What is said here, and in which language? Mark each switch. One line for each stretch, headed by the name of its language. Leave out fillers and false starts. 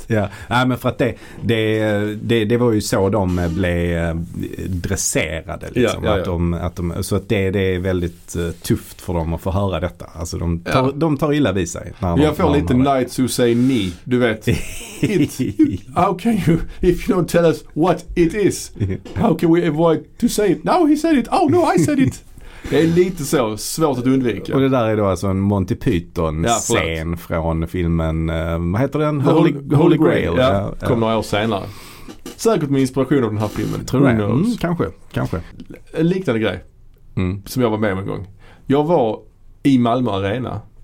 Swedish: Ja. Nej, men för att det var ju så de blev dresserade liksom. Det är väldigt tufft för dem att få höra detta. Alltså de tar illa vid sig. Jag får lite
English: knights who say me,
Swedish: du vet.
English: How can you, if you don't tell us what it is, how can we avoid to say it? No, he said it. Oh no, I said it.
Swedish: Det är lite så svårt att undvika. Och det där är då alltså en Monty Python-scen från filmen, vad heter den? Holy Grail. Ja. Kom några år senare. Säkert med inspiration av den här filmen. Tror jag. Kanske. En liknande grej som jag var med om en gång. Jag var i Malmö Arena.